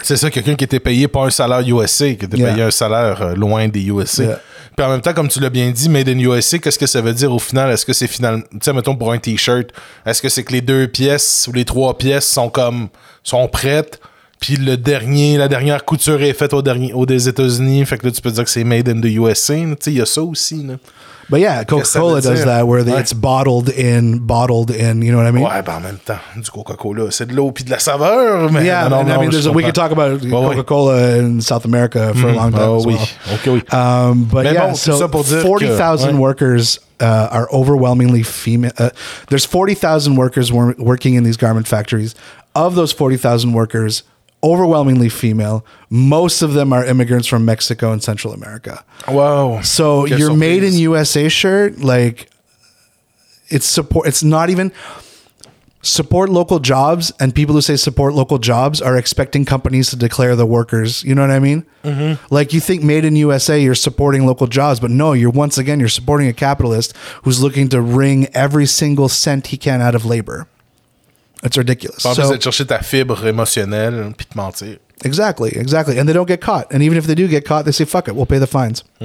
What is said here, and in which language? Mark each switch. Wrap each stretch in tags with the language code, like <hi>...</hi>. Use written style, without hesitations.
<fr>C'est ça, quelqu'un qui était payé pas un salaire USA, qui était payé un salaire loin des USA. Yeah. Puis en même temps, comme tu l'as bien dit, made in USA, qu'est-ce que ça veut dire au final? Est-ce que c'est finalement, tu sais, mettons pour un t-shirt, est-ce que c'est que les deux pièces ou les trois pièces sont prêtes? Puis le dernier, la dernière couture est faite au des États-Unis. Fait que là, tu peux dire que c'est made in the USA. Tu sais, il y a ça aussi. Là.</fr> <en>But yeah, Coca-Cola does that, where it's bottled in, you know what I mean?</en> <fr>Ouais, ben en même temps, du Coca-Cola, c'est de l'eau puis de la saveur, mais...</fr> <en>Yeah, we could talk about Coca-Cola in South America for a long time as well. Okay. But mais yeah, bon, so 40,000 workers are overwhelmingly female. There's 40,000 workers working in these garment factories. Of those 40,000 workers, overwhelmingly female, most of them are immigrants from Mexico and Central America. Wow. So your made in USA shirt, like, it's not even support local jobs, and people who say support local jobs are expecting companies to declare the workers, you know what I mean? Mm-hmm. Like, you think made in USA, you're supporting local jobs, but no, you're once again, you're supporting a capitalist who's looking to wring every single cent he can out of labor. It's ridiculous.</en> <fr>Pas besoin de chercher ta fibre émotionnelle puis te mentir.</fr> <en>Exactly, exactly. And they don't get caught. And even if they do get caught, they say, fuck it, we'll pay the fines.</en>